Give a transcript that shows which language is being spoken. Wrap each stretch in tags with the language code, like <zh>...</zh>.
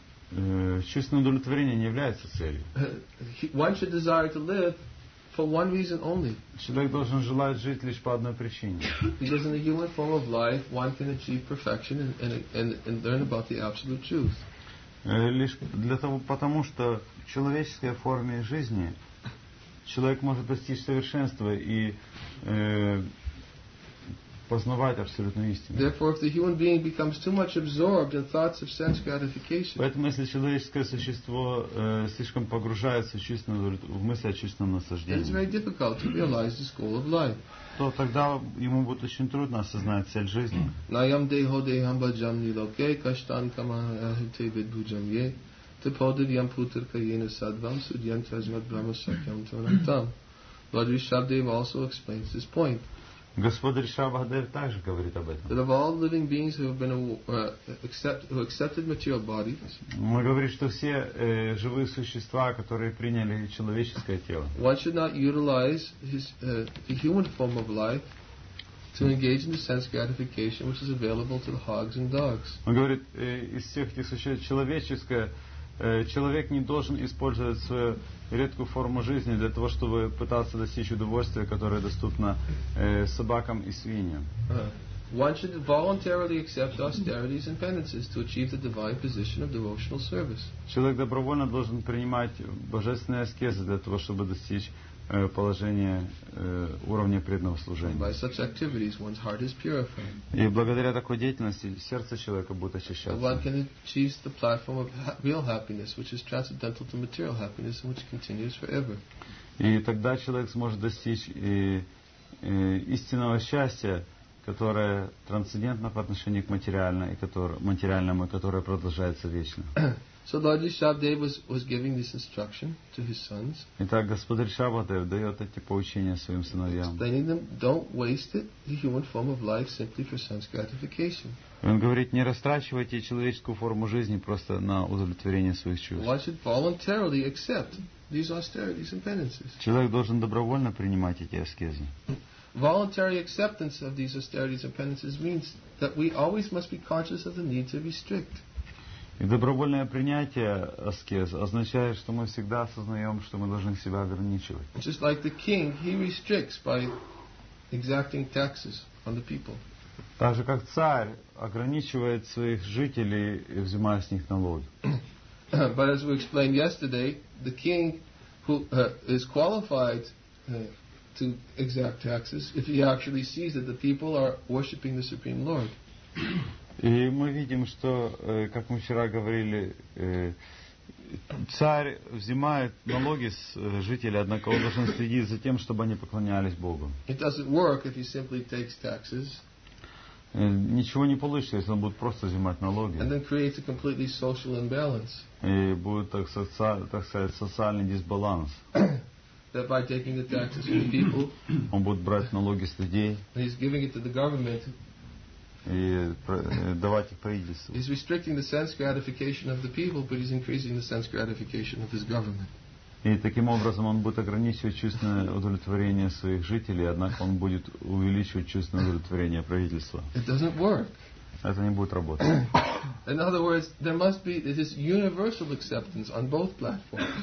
<ru>Чувственное удовлетворение не является целью.</ru> <en>One should desire to live for one reason only.</en> <ru>Человек должен желать жить лишь по одной причине.</ru> <en>Because in the human form of life, one can achieve perfection and learn about the absolute truth.</en> <ru>Лишь для того, потому что в человеческой форме жизни человек может достичь совершенства и познавать абсолютную истину.</ru> <en>Therefore, if the human being becomes too much absorbed in thoughts of sense gratification,</en> <ru>поэтому если человеческое существо слишком погружается в мысли о чувственном наслаждении,</ru> <en>it's very difficult to realize the goal of life.</en> <ru>То тогда ему будет очень трудно осознать цель жизни.</ru> <sa>Nayam deho deham bhajam niloke kashtan kamahate vidbhujam ye tapodiyam putar kayena sadvam sudyam tajmat brahma sakyam tvanantam.</sa> <en>Lord Rishabhadev also explains this point.</en> <ru>Господь Ришабхадев также говорит об этом.</ru> <en>That of all living beings who have been who accepted material bodies,</en> <ru>мы говорим, что все живые существа, которые приняли человеческое тело,</ru> <en>one should not utilize the human form of life to engage in the sense gratification which is available to the hogs and dogs.</en> <ru>Он говорит, из всех этих существ человеческое человек не должен использовать свою редкую форму жизни для того, чтобы пытаться достичь удовольствия, которое доступно собакам и свиньям.</ru> <en>One should voluntarily accept austerities and penances to achieve the divine position of devotional service.</en> <ru>Человек добровольно должен принимать божественные аскезы для того, чтобы достичь положения уровня преданного служения.</ru> <en>By such activities, one's heart is purified.</en> <ru>И благодаря такой деятельности сердце человека будет очищаться.</ru> <en>One can achieve the platform of real happiness, which is transcendental to material happiness and which continues forever.</en> <ru>И тогда человек сможет достичь истинного счастья, которое трансцендентно по отношению к материальному, которое продолжается вечно.</ru> <en>So Lord Rishabhadev was giving this instruction to his sons.</en> <ru>Итак, Господь Ришабхадев дает эти поучения своим сыновьям.</ru> <en>Explaining them, don't waste it, the human form of life simply for sense gratification.</en> <ru>Он говорит, не растрачивайте человеческую форму жизни просто на удовлетворение своих чувств.</ru> <en>One should voluntarily accept these austerities and penances.</en> <ru>Человек должен добровольно принимать эти аскезы.</ru> <en>Voluntary acceptance of these austerities and penances means that we always must be conscious of the need to restrict.</en> <ru>И добровольное принятие аскез означает, что мы всегда осознаем, что мы должны себя ограничивать.</ru> <en>Just like the king, he restricts by exacting taxes on the people.</en> <ru>Так же, как царь ограничивает своих жителей и взимает с них налоги.</ru> <en>But as we explained yesterday, the king who is qualified to exact taxes if he actually sees that the people are worshipping the Supreme Lord.</en> <ru>И мы видим, что, как мы вчера говорили, царь взимает налоги с жителей, однако он должен следить за тем, чтобы они поклонялись Богу.</ru> <en>It doesn't work if he simply takes taxes.</en> <ru>Ничего не получится, если он будет просто взимать налоги.</ru> <en>And then creates a completely social imbalance.</en> <ru>И будет, так сказать, социальный дисбаланс.</ru> <en>That by taking the taxes from the people,</en> <ru>он будет брать налоги с людей.</ru> <en>And he's giving it to the government.</en> <ru>И давать их правительству.</ru> <en>He's restricting the sense gratification of the people, but he's increasing the sense gratification of his government.</en> <ru>И таким образом он будет ограничивать чувственное удовлетворение своих жителей, однако он будет увеличивать чувственное удовлетворение правительства.</ru> <en>It doesn't work.</en> <ru>Это не будет работать.</ru> <en>In other words, there must be this universal acceptance on both platforms.</en>